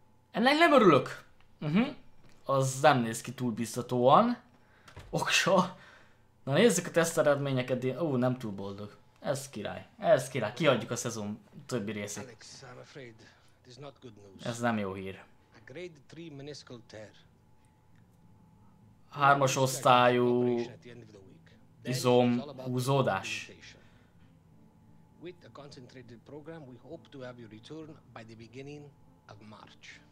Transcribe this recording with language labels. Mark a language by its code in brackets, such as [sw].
[hu] Ennek nem örülök. Az nem néz ki túl biztatóan. Oksa. Na nézzük a teszt eredményeket. Nem túl boldog. Ez király. Ez király. Kihagyjuk a szezon többi részét. [en] Alex, I'm afraid it is not good news. [hu] Ez nem jó hír. [en] A grade 3 meniscal tear. [hu] Hármas osztályú izom húzódás. [en] With a concentrated program, we hope to have you return by the beginning of March.